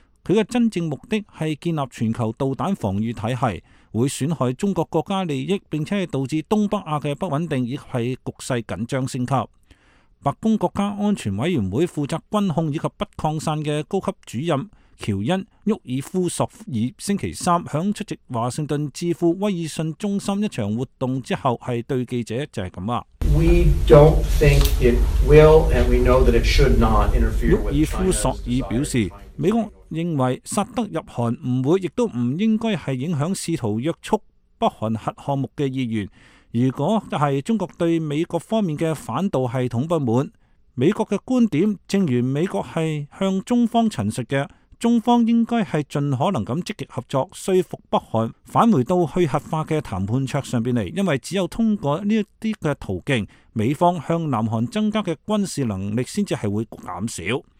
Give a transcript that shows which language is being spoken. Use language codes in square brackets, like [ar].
[zh] 他的真正目的是建立全球导弹防御体系，会损害中国国家利益，并且导致东北亚的不稳定以及局势紧张升级。白宫国家安全委员会负责军控以及不扩散的高级主任乔恩·沃尔夫索尔星期三在出席华盛顿智库威尔逊中心一场活动之后，是对记者就是这样。 [en] We don't think it will, and we know that it should not interfere with China. 沃尔 [zh] 夫索尔表示，美国认为萨德入韩不会，亦都不应该是影响试图约束北韩核项目的意愿。如果是中国对美国方面的反导系统不满，美国的观点正如美国是向中方陈述的，中方应该是尽可能地积极合作，说服北韩返回到去核化的谈判桌上来，因为只有通过这些途径，美方向南韩增加的军事能力才会减少。